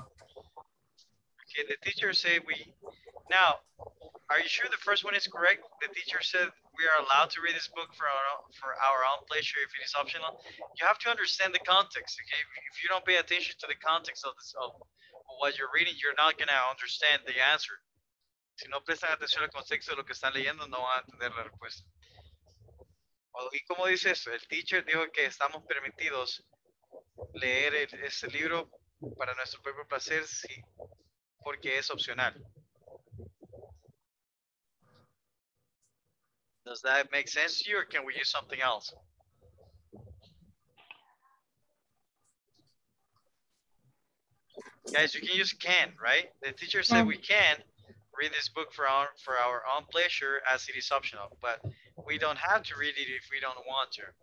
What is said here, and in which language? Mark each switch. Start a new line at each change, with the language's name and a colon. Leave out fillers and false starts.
English: Okay, the teacher said we. Now, are you sure the first one is correct? The teacher said we are allowed to read this book for our own pleasure if it is optional. You have to understand the context, okay? If you don't pay attention to the context of this, what you're reading, you're not going to understand the answer.
Spanish: Si no prestan atención al contexto de lo que están leyendo, no van a entender la respuesta. ¿Y cómo dice eso? El teacher dijo que estamos permitidos leer ese libro para nuestro propio placer, sí, porque es opcional.
English: Does that make sense to you, or can we use something else? Guys, you can use can, right? The teacher said we can read this book for our own pleasure as it is optional, but we don't have to read it if we don't want to.